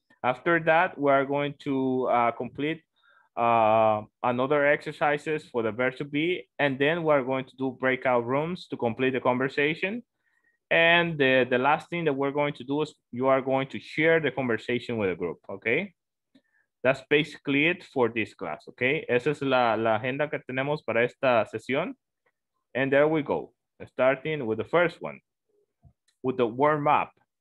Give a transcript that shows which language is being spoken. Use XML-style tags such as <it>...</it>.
<en>After that, we're going to complete another exercises for the verb to be, and then we're going to do breakout rooms to complete the conversation. And the last thing that we're going to do is you are going to share the conversation with a group, okay? That's basically it for this class, okay?</en> <es>Esa es la agenda que tenemos para esta sesión.</es> <en>And there we go. Starting with the first one, with the warm up.</en>